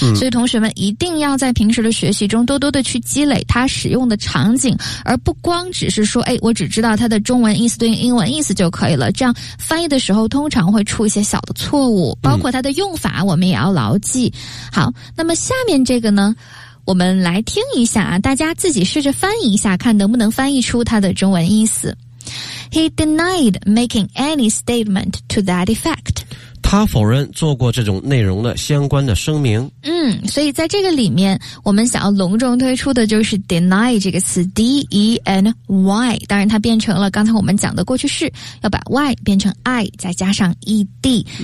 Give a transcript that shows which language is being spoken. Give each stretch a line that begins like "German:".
Chinese: 所以同学们一定要在平时的学习中多多的去积累它使用的场景，而不光只是说我只知道它的中文意思对应英文意思就可以了，这样翻译的时候通常会出一些小的错误，包括它的用法我们也要牢记。好，那么下面这个呢我们来听一下啊，大家自己试着翻译一下，看能不能翻译出它的中文意思。
English: He denied making any statement to that effect.
Chinese: 他否认做过这种内容的相关的声明。所以在这个里面，我们想要隆重推出的就是 deny 这个词 ，D-E-N-Y。当然，它变成了刚才我们讲的过去式，要把 Y 变成 I， 再加上 E-D。